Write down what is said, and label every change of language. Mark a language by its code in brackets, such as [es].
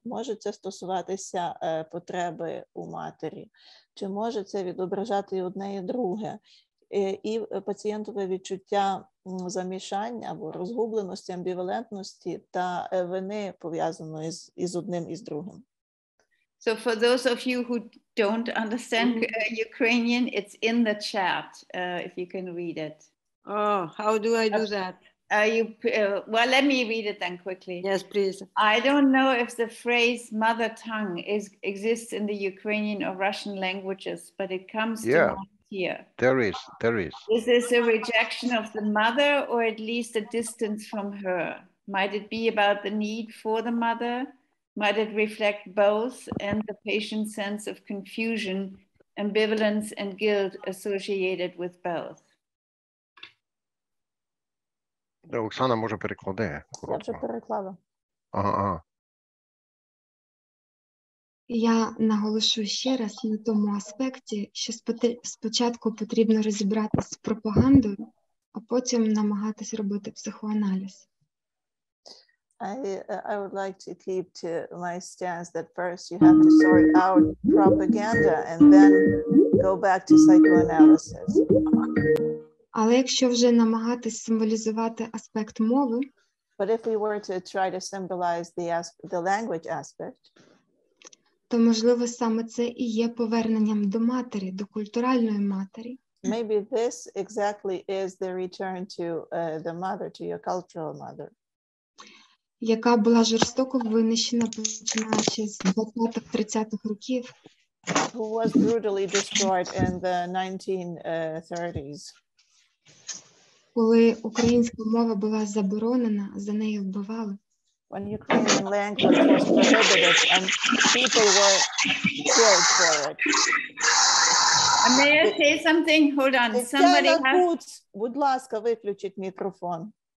[uk] Може це стосуватися потреби у матері, чи може це відображати одне і друге. І пацієнтове відчуття замішання або розгубленості, амбівалентності та вини пов'язаної із одним і з другим. [en] So for those of you who don't understand Ukrainian, it's in the chat, if you can read it. Oh, how do I do that? Well, let me read it then quickly. Yes, please. I don't know if the phrase mother tongue exists in the Ukrainian or Russian languages, but it comes to mind. Here. There is. Is this a rejection of the mother or at least a distance from her? Might it be about the need for the mother? Might it reflect both and the patient's sense of confusion, ambivalence, and guilt associated with both? [uk] Оксана може перекладе. Я вже перекладу. Ага. Я наголошу ще раз на тому аспекті, що спочатку потрібно розібратися з пропагандою, а потім намагатися робити психоаналіз. [en] I would like to keep to my stance that first you have to sort out propaganda and then go back to psychoanalysis. [uk] Але якщо вже намагатися символізувати аспект мови, [en] but if we were to try to symbolize the language aspect, [uk] то, можливо, саме це і є поверненням до матері, до культуральної матері. [en] Maybe this exactly is the return to the mother, to your cultural mother. [uk] Яка була жорстоко винищена, починаючи з 20-30-х років. [en] Who was brutally destroyed in the 1930s. [uk] Коли українська мова була заборонена, за неї вбивали. [en] When Ukrainian language was prohibited and people were killed for it. May I say something? Hold on. Somebody has... [uk] Будь ласка, виключіть мікрофон.